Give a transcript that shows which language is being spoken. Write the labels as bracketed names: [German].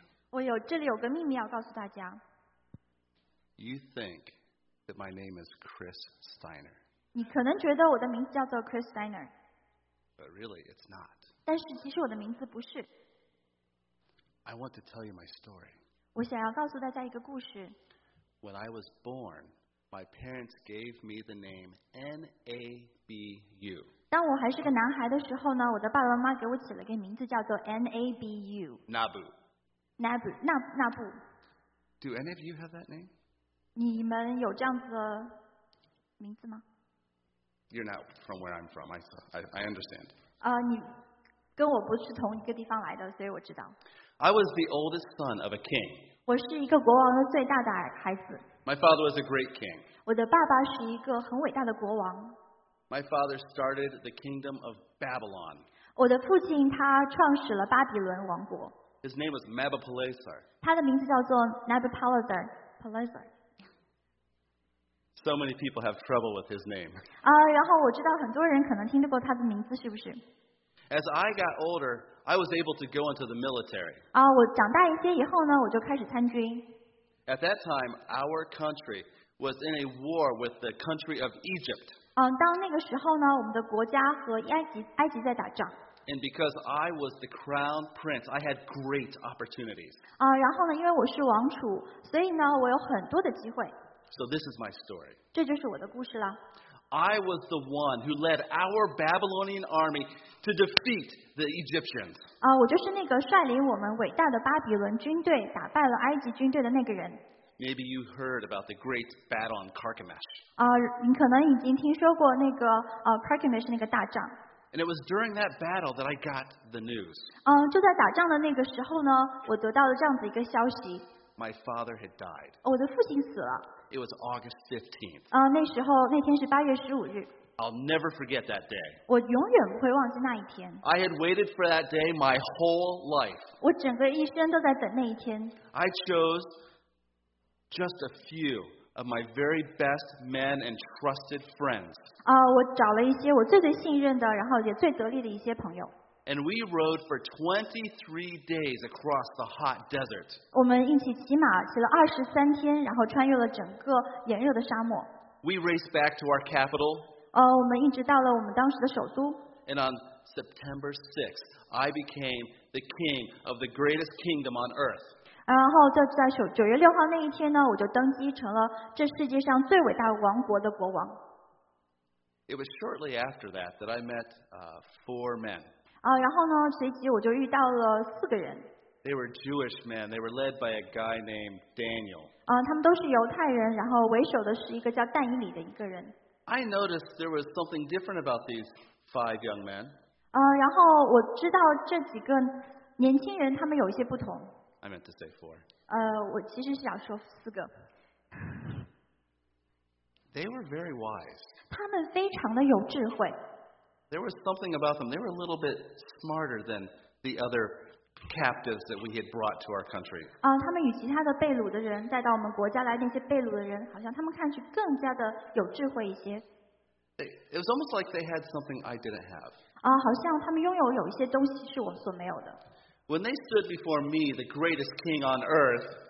[Chinese] 我有这里有个秘密要告诉大家。 [English] You think that my name is Chris Steiner? [Chinese] 你可能觉得我的名字叫做 Chris Steiner. [English] But really, it's not. [Chinese] 但是其实我的名字不是。 [English] I want to tell you my story. [Chinese] 我想要告诉大家一个故事。 [English] When I was born, my parents gave me the name Nabu. [Chinese] 当我还是个男孩的时候呢，我的爸爸妈妈给我起了个名字，叫做 Nabu。 Nabu。 Nabu。 Nabu。 [English] Do any of you have that name? [Chinese] 你们有这样子的名字吗 [English] ？You're not from where I'm from. I understand. [Chinese] 你跟我不是同一个地方来的，所以我知道。 [English] I was the oldest son of a king. [Chinese] 我是一个国王的最大的孩子。 [English] My father was a great king. [Chinese] 我的爸爸是一个很伟大的国王。 [English] My father started the kingdom of Babylon. [Chinese] 我的父亲他创始了巴比伦王国。 [English] His name was Nabopolassar. [Chinese] 他的名字叫做 Nabopolassar. [English] So many people have trouble with his name. [Chinese] 然后我知道很多人可能听得过他的名字，是不是？ [English] As I got older, I was able to go into the military. [Chinese] 我长大一些以后呢，我就开始参军。 [English] At that time, our country was in a war with the country of Egypt. [Chinese] 当那个时候呢，我们的国家和埃及在打仗。 [English] And because I was the crown prince, I had great opportunities. [Chinese] 然后呢，因为我是王储，所以呢，我有很多的机会。 [English] So this is my story. [Chinese] 这就是我的故事了。 [English] I was the one who led our Babylonian army to defeat the Egyptians. [Chinese] 我就是那个率领我们伟大的巴比伦军队打败了埃及军队的那个人。 [English] Maybe you heard about the great battle on Carchemish. [Chinese] 你可能已经听说过那个Carchemish 那个大仗。 [English] And it was during that battle that I got the news. [Chinese] 就在打仗的那个时候呢，我得到了这样子一个消息。 [English] My father had died. [Chinese] 我的父亲死了。 [English] It was August 15th. [Chinese] 那时候那天是8月15日。 [English] I'll never forget that day. [Chinese] 我永远不会忘记那一天。 [English] I had waited for that day my whole life. [Chinese] 我整个一生都在等那一天。 [English] I chose. Just a few of my very best men and trusted friends. [Chinese] 我找了一些我最最信任的，然后也最得力的一些朋友。 [English] And we rode for 23 days across the hot desert. [Chinese] 我们一起骑马骑了23天，然后穿越了整个炎热的沙漠。 [English] We raced back to our capital. [Chinese] 我们一直到了我们当时的首都。 [English] And on September 6th, I became the king of the greatest kingdom on earth. [Chinese] 然后就在9月6号那一天呢，我就登基成了这世界上最伟大王国的国王。 [English] It was shortly after that that I met four men. [Chinese] 然后呢，随即我就遇到了四个人。 [English] They were Jewish men. They were led by a guy named Daniel. [Chinese] 他们都是犹太人，然后为首的是一个叫但以理的一个人。 [English] I noticed there was something different about these five young men. [Chinese] 然后我知道这几个年轻人他们有一些不同。 [English] I meant to say four. [Chinese] 我其实是想说四个。 [English] They were very wise. [Chinese] 他们非常的有智慧。 [English] There was something about them. They were a little bit smarter than the other captives that we had brought to our country. [Chinese] 他们与其他的被掳的人带到我们国家来，那些被掳的人好像他们看去更加的有智慧一些。 [English] It was almost like they had something I didn't have. [Chinese] 好像他们拥有有一些东西是我所没有的。 [English] When they stood before me, the greatest king on earth.